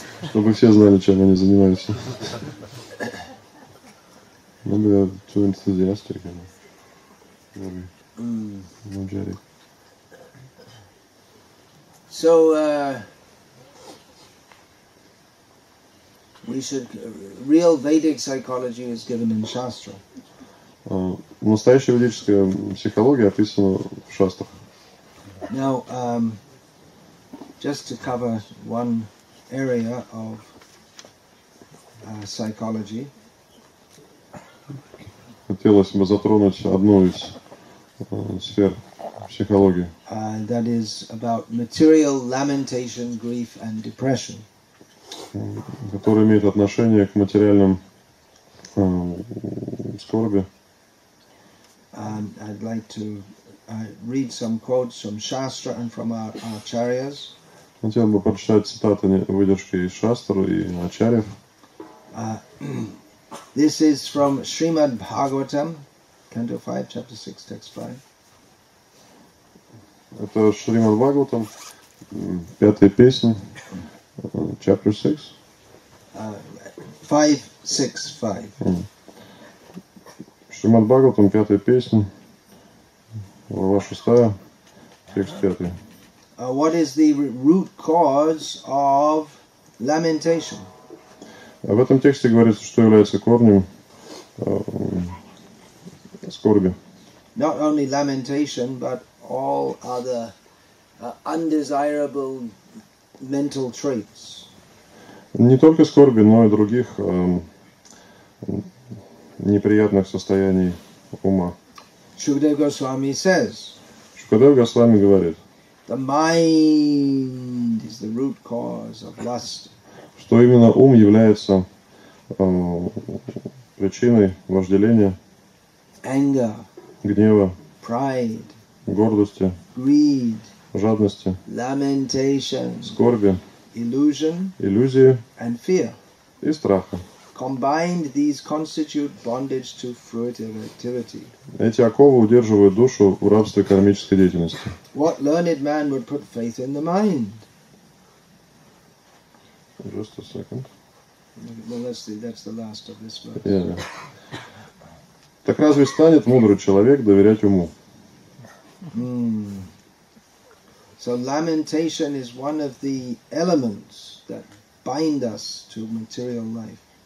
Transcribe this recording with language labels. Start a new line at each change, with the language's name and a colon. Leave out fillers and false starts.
Russian: Чтобы все знали, чем они занимаются.
English: Maybe they're too enthusiastic. Maybe. No, Jerry. So, we should. Real Vedic psychology is given in Shastra.
Russian: Настоящая ведическая психология описана в шастрах.
English: Now, just to cover one area of psychology.
Russian: Хотелось бы затронуть одну из сфер психологии.
English: That is about material lamentation, grief and depression.
Russian: Которая имеет отношение к материальным скорби.
English: I'd like to read some quotes from Shastra and from our Acharyas.
Russian: Хотел бы прочитать цитаты, выдержки из Шастры и Ачарьев.
English: This is from Srimad Bhagavatam, Canto 5, Chapter 6, Text 5.
Russian: Это Шримад Бхагаватам, пятая песня,
English: Chapter 6. 5, 6, 5.
Russian: Шримад Бхагаватам, пятая песня, ваша шестая, текст пятый.
English: What is the root cause of lamentation?
Russian: В этом тексте говорится, что является корнем скорби.
English: Not only lamentation, but all other undesirable mental traits.
Russian: Не только скорби, но и других неприятных состояний ума.
English: Shukadeva Goswami says.
Russian: Shukadeva Goswami говорит.
English: The mind is the root cause of lust.
Russian: Что именно ум является причиной вожделения,
English: anger,
Russian: гнева,
English: pride,
Russian: гордости,
English: greed,
Russian: жадности,
English: lamentation,
Russian: скорби,
English: illusion,
Russian: иллюзии
English: and fear.
Russian: И страха.
English: Combined, these constitute bondage to fruitive activity.
Russian: Эти оковы удерживают душу в рабстве кармической деятельности.
English: What learned man would put faith in the mind? Just a second. Well, that's the last of this verse. Yeah.
Russian: Так разве станет мудрый человек доверять уму?
English: So lamentation is one of the elements that bind us to material life.